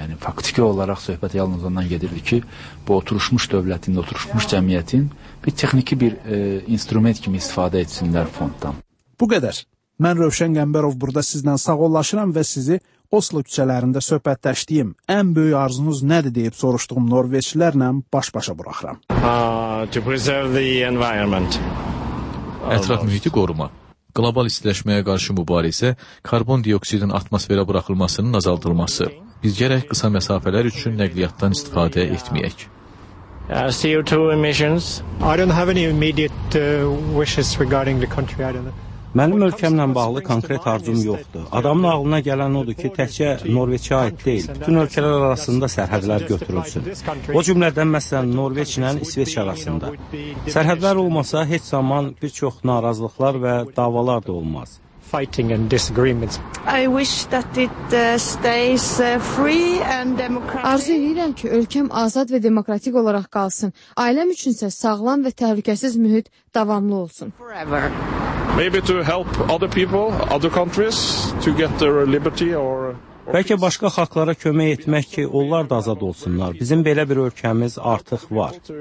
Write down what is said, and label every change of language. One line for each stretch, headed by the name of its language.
Azerbaijani: Yəni, faktiki olaraq söhbət yalnız ondan gedirdi ki, bu oturuşmuş dövlətin, oturuşmuş cəmiyyətin bir texniki bir instrument kimi istifadə etsinlər fonddan. Bu qədər. Mən Rövşən Qəmbərov burada sizdən sağollaşıram və sizi Oslo küçələrində söhbətləşdiyim ən böyük arzunuz nədir deyib soruşduğum norveçlərlə baş-başa buraxıram.
English: To preserve the environment.
Azerbaijani: Ətraf mühiti qoruma. Qlobal istiləşməyə qarşı mübarizə, karbon dioksidin atmosferə buraxılmasının azaldılması. Biz gərək qısa məsafələr üçün nəqliyyatdan istifadə etməyək.
English: CO2 emissions. I don't have any immediate wishes regarding the country. I don't know.
Azerbaijani: Mənim ölkəmlə bağlı konkret arzum yoxdur. Adamın ağlına gələn odur ki, təkcə Norveçə aid deyil, bütün ölkələr arasında sərhədlər götürülsün. O cümlədən məsələn Norveç ilə İsveç arasında. Sərhədlər olmasa heç zaman bir çox narazılıqlar və davalar da olmaz.
English: Fighting and disagreements. I wish that it stays free and democratic.
Azerbaijani: Arzu edirəm ki, ölkəm azad və demokratik olaraq qalsın. Ailəm üçünsə sağlam və təhlükəsiz mühit davamlı olsun.
English: Forever. Maybe to help other people, other countries to get their liberty or
Azerbaijani: bəlkə başqa xalqlara kömək etmək ki, onlar da azad olsunlar. Bizim belə bir ölkəmiz artıq var.